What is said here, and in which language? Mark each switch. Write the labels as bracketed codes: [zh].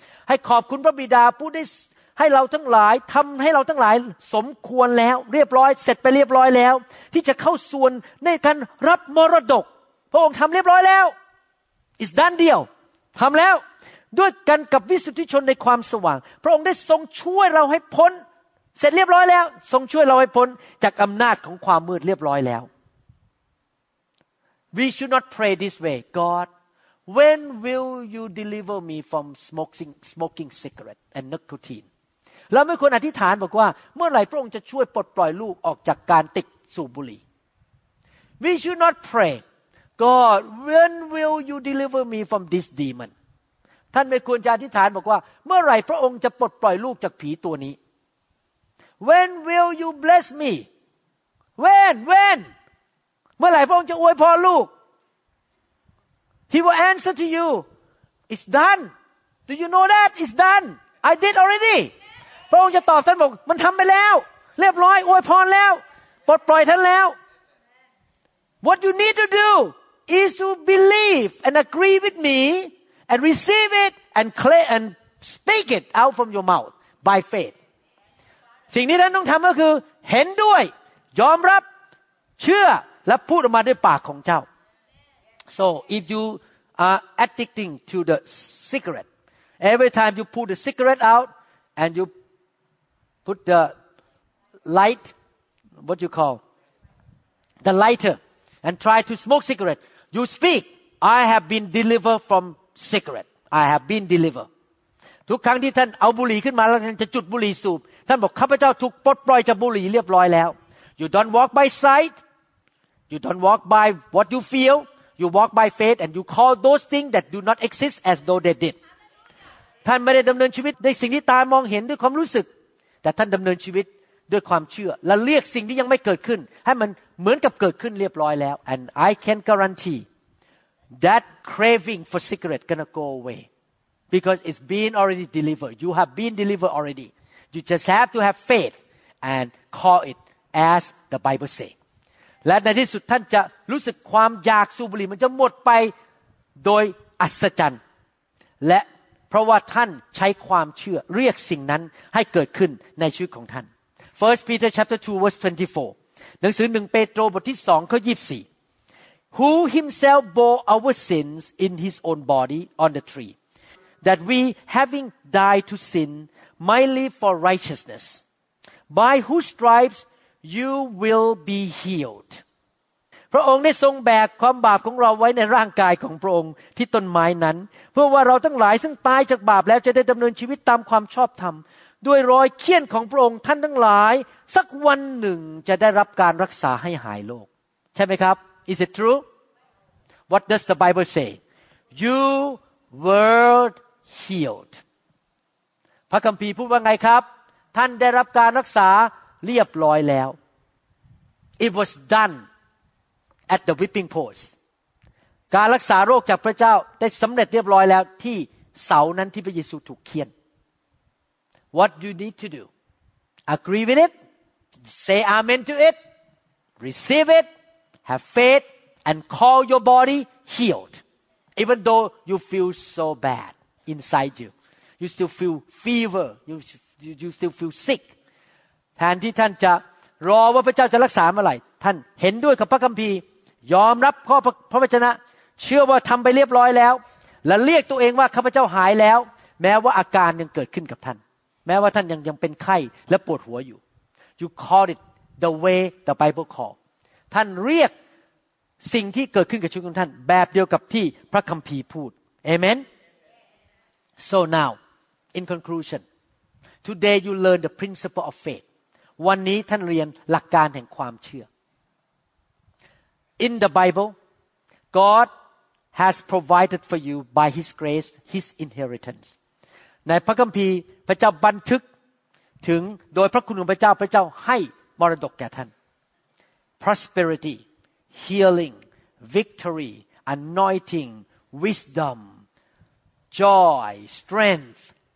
[th] ให้ขอบคุณพระบิดาผู้ได้ให้เราทั้งหลายทำให้เราทั้งหลายสมควรแล้วเรียบร้อยเสร็จไปเรียบร้อยแล้วที่จะเข้าส่วนในการรับมรดกพระองค์ทำเรียบร้อยแล้ว [en] It's done deal [th] ทำแล้วด้วยกันกับวิสุทธิชนในความสว่างพระองค์ได้ทรงช่วยเราให้พ้นเสร็จเรียบร้อยแล้วทรงช่วยเราให้พ้นจากอำนาจของความมืดเรียบร้อยแล้ว [en] We should not pray this way GodWhen will you deliver me from smoking cigarette and nicotine? [th] เราไม่ควรอธิษฐานบอกว่าเมื่อไหร่พระองค์จะช่วยปลดปล่อยลูกออกจากการติดสูบบุหรี่ [en] We should not pray, God, when will you deliver me from this demon? [th] ท่านไม่ควรจะอธิษฐานบอกว่าเมื่อไหร่พระองค์จะปลดปล่อยลูกจากผีตัวนี้ [en] When will you bless me? When? [th] เมื่อไหร่พระองค์จะอวยพรลูก [en] He will answer to you. It's done. Do you know that? It's done. I did already. [th] พระองค์จะตอบท่านบอกมันทำไปแล้วเรียบร้อยอวยพรแล้วปลดปล่อยท่านแล้ว [en] What you need to do is to believe and agree with me and receive it and clear and speak it out from your mouth by faith. [th] สิ่งที่ท่านต้องทำก็คือเห็นด้วยยอมรับเชื่อและพูดออกมาด้วยปากของเจ้า [en] So if you are addicting to the cigarette, every time you pull the cigarette out and you put the light, what you call, the lighter, and try to smoke cigarette, you speak, I have been delivered from cigarette. I have been delivered. [th] ทุกครั้งที่ท่านเอาบุหรี่ขึ้นมาแล้วท่านจะจุดบุหรี่สูบท่านบอกข้าพเจ้าถูกปลดปล่อยจากบุหรี่เรียบร้อยแล้ว [en] You don't walk by sight. You don't walk by what you feel. You walk by faith and you call those things that do not exist as though they did. [th] ท่านไม่ได้ดำเนินชีวิตด้วยสิ่งที่ตามองเห็นด้วยความรู้สึกแต่ท่านดำเนินชีวิตด้วยความเชื่อและเรียกสิ่งที่ยังไม่เกิดขึ้นให้มันเหมือนกับเกิดขึ้นเรียบร้อยแล้ว [en] And I can guarantee that craving for cigarette gonna go away because it's been already delivered. You have been delivered already. You just have to have faith and call it as the Bible says. [th] และในที่สุดท่านจะรู้สึกความอยากสูบบุหรี่มันจะหมดไปโดยอัศจรรย์และเพราะว่าท่านใช้ความเชื่อเรียกสิ่งนั้นให้เกิดขึ้นในชีวิตของท่าน [en] 1 Peter chapter 2 verse 24 [th] หนังสือ1เปโตรบทที่2ข้อ24 [en] Who himself bore our sins in his own body on the tree that we having died to sin might live for righteousness by whose stripesYou will be healed. [th] พระองค์ได้ทรงแบกความบาปของเราไว้ในร่างกายของพระองค์ที่ต้นไม้นั้นเพื่อว่าเราทั้งหลายซึ่งตายจากบาปแล้วจะได้ดำเนินชีวิตตามความชอบธรรมด้วยรอยเคี้ยนของพระองค์ท่านทั้งหลายสักวันหนึ่งจะได้รับการรักษาให้หายโรคใช่ไหมครับ [en] Is it true? What does the Bible say? You were healed. [th] พระคัมภีร์พูดว่าไงครับท่านได้รับการรักษา เรียบร้อยแล้ว [en] It was done at the whipping post [th] การรักษาโรคจากพระเจ้าได้สำเร็จเรียบร้อยแล้วที่เสานั้นที่พระเยซูถูกเคี่ยน [en] What you need to do Agree with it Say amen to it Receive it Have faith And call your body healed Even though you feel so bad inside youYou still feel fever. You still feel sick. [th] แทนที่ท่านจะรอว่าพระเจ้าจะรักษาเมื่อไหร่ท่านเห็นด้วยกับพระคัมภีร์ยอมรับข้อพระวจนะเชื่อว่าทำไปเรียบร้อยแล้วและเรียกตัวเองว่าข้าพเจ้าหายแล้วแม้ว่าอาการยังเกิดขึ้นกับท่านแม้ว่าท่านยังเป็นไข้และปวดหัวอยู่ [en] You call it the way the Bible calls. [th] ท่านเรียกสิ่งที่เกิดขึ้นกับชีวิตของท่านแบบเดียวกับที่พระคัมภีร์พูด Amen. [en] So now. In conclusion, today you learn the principle of faith. [th] วันนี้ท่านเรียนหลักการแห่งความเชื่อ [en] In the Bible, God has provided for you by His grace, His inheritance. [th] ในพระคัมภีร์พระเจ้าบันทึกถึงโดยพระคุณของพระเจ้าให้มรดกแก่ท่าน [en] Prosperity, healing, victory, anointing, wisdom, joy, strength.